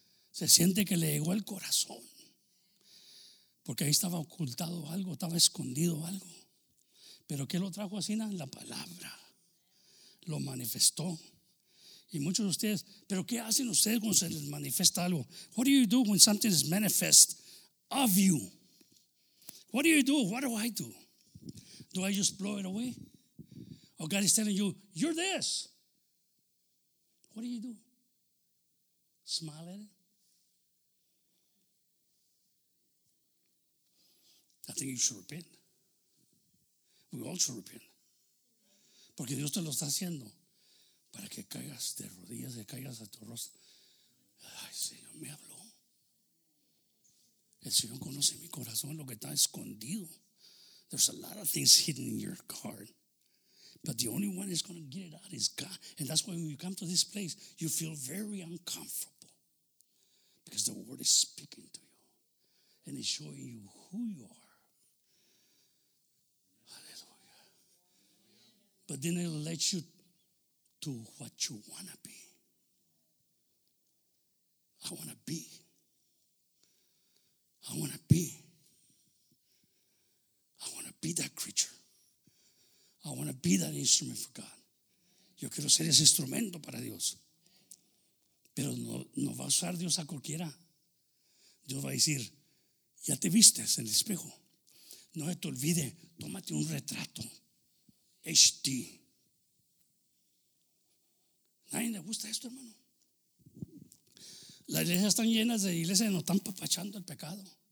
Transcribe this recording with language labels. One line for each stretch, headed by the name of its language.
Spanish: ¿Se siente que le llegó al corazón? Porque ahí estaba ocultado algo, estaba escondido algo. ¿Pero qué lo trajo así? La palabra. Lo manifestó. Y muchos de ustedes, ¿pero qué hacen ustedes cuando se les manifiesta algo?
English: What do you do when something is manifest of you? What do you do? What do I do? Do I just blow it away? Or God is telling you, you're this. What do you do? Smile at it? I think you should repent. We all should repent.
Spanish: Porque Dios te lo está haciendo. Para que caigas de rodillas, que caigas a tu rostro. Ay, Señor, me habló. El Señor conoce mi corazón, lo que está escondido.
English: There's a lot of things hidden in your heart. But the only one that's going to get it out is God. And that's why when you come to this place, you feel very uncomfortable. Because the word is speaking to you. And it's showing you who you are. Hallelujah. But then it'll let you to what you want to be. I want to be. I want to be. I want to be that creature. I want to be that instrument for God.
Spanish: Yo quiero ser ese instrumento para Dios. Pero no va a usar Dios a cualquiera. Dios va a decir, ya te vistes en el espejo. No se te olvide, tómate un retrato. HD. ¿Nadie le gusta esto, hermano? Las iglesias están llenas de iglesias y nos están papachando el pecado.